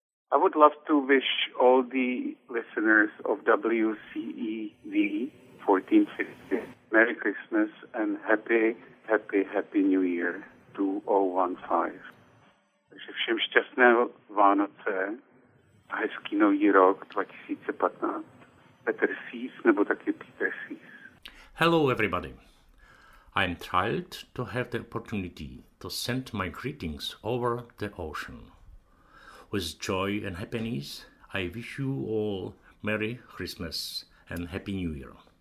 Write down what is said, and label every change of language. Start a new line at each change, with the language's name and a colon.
English: I would love to wish all the listeners of WCEV 1450 Merry Christmas and happy, happy, happy New Year 2015.
Czech: Všem šťastné Vánoce a hezký nový rok 2015. Petr Sýs nebo taky Peter Sýs.
English: Hello everybody. I'm thrilled to have the opportunity to send my greetings over the ocean. With joy and happiness, I wish you all Merry Christmas and Happy New Year.